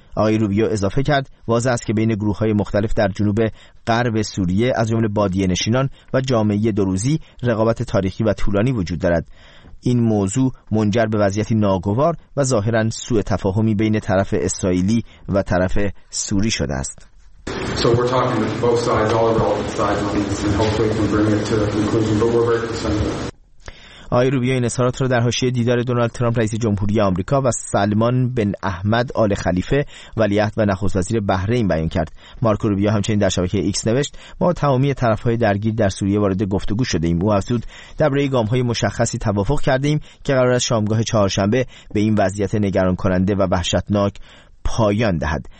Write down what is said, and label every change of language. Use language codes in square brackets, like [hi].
[fa] آقای روبیو اضافه کرد واضح است که بین گروه‌های مختلف در جنوب غرب سوریه از جمله بادیه نشینان و جامعه دروزی رقابت تاریخی و طولانی وجود دارد. این موضوع منجر به وضعیتی ناگوار و ظاهراً سوء تفاهمی بین طرف اسرائیلی و طرف سوری شده است. [en] So we're talking to both sides, all the relevant sides on this, and hopefully can bring it to a conclusion. But we're very concerned. [fa] آقای روبیو این اظهارات را در حاشیه دیدار دونالد ترامپ رئیس جمهوری آمریکا و سلمان بن احمد آل خلیفه ولیعهد و نخست وزیر بحرین بیان کرد. مارکو روبیو همچنین در شبکه ایکس نوشت ما تمامی طرف‌های درگیر در سوریه وارد گفتگو شده ایم. او افزود درباره گام‌های مشخصی توافق کرده ایم که قرار است شامگاه چهارشنبه به این وضعیت نگران کننده و وحشتناک پایان دهد.